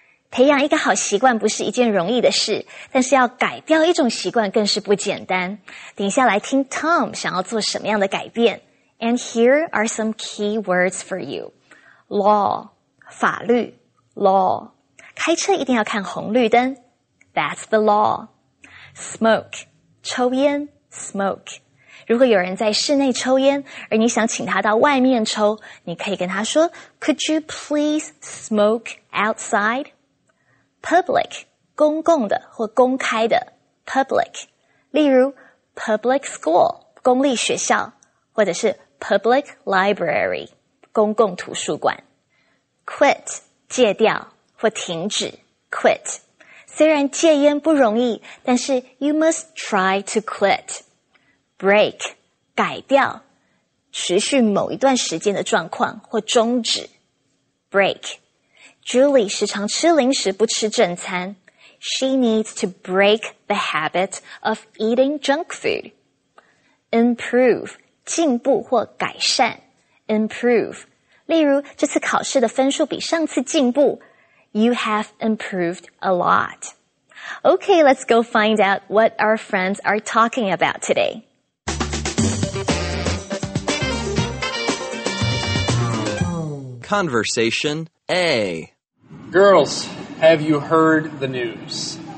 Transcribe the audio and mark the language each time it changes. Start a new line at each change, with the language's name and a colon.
Chinese: 培养一个好习惯不是一件容易的事，但是要改掉一种习惯更是不简单。等一下来听 Tom 想要做什么样的改变。
English: And here are some key words for you.
Chinese: Law, 法律 law. 开车一定要看红绿灯。
English: That's the law.
Chinese: Smoke, 抽烟 smoke. 如果有人在室内抽烟，而你想请他到外面抽，你可以跟他说
English: Could you please smoke outside?
Chinese: Public, 公共的或公开的 public. 例如 public school, 公立学校，或者是 public library, 公共图书馆。 Quit, 戒掉或停止 quit. 虽然戒烟不容易，但是
English: you must try to quit.
Chinese: Break, 改掉，持续某一段时间的状况或终止。Break. Julie 时常吃零食不吃正餐。
English: She needs to break the habit of eating junk food.
Chinese: Improve, 进步或改善。Improve. 例如这次考试的分数比上次进步。
English: You have improved a lot. Okay, let's go find out what our friends are talking about today. Conversation A. Girls, have you heard the news?